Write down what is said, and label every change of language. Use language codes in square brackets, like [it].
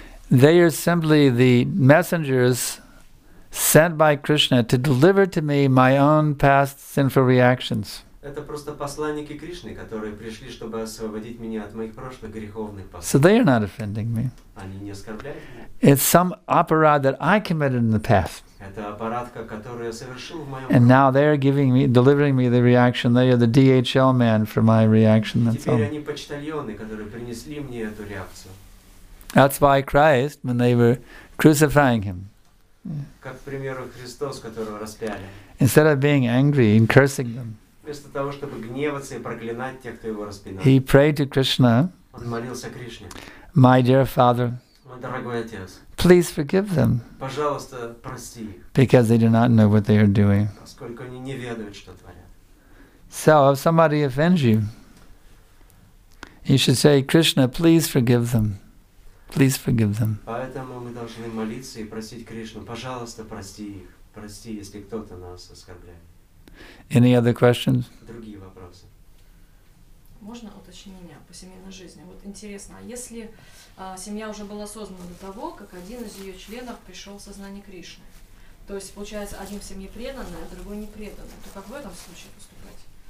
[en] They are simply the messengers sent by Krishna to deliver to me my own past sinful reactions. [ru] Это просто посланники Кришны, которые пришли, чтобы освободить меня от моих прошлых греховных поступков. [en] So they are not offending me. [ru] Они не оскорбляют меня. [en] It's some apparat that I committed in the past. [ru] Это апаратка, которую я совершил в моем прошлом. [en] And now they are giving me, delivering me the reaction. They are the DHL man for my reaction. [ru] И теперь они почтальоны, которые принесли мне эту реакцию. [en] That's why Christ, when they were crucifying him, [ru] как, к примеру, Христос, которого распяли, [en] instead of being angry and cursing them, [ru] вместо того, чтобы гневаться и проклинать тех, кто его распинал, [en] he prayed to Krishna, [ru] он молился Кришне, [en] my dear father, [ru] мой дорогой отец, [en] please forgive them, [ru] пожалуйста, прости их, [en] because they do not know what they are doing, [ru] поскольку они не ведают, что творят. [en] So if somebody offends you, you should say, Krishna, please forgive them. Please forgive them. [ru] Поэтому мы должны молиться и просить Кришну, пожалуйста, прости их, прости, если кто-то нас оскорбляет. [en] Any other questions? [ru] Другие вопросы. Можно уточнение по семейной жизни? Вот интересно, если семья уже была создана до того, как один из ее членов пришел в сознание Кришны, то есть получается, один в семье преданный, а другой не преданный, то как в этом случае поступать?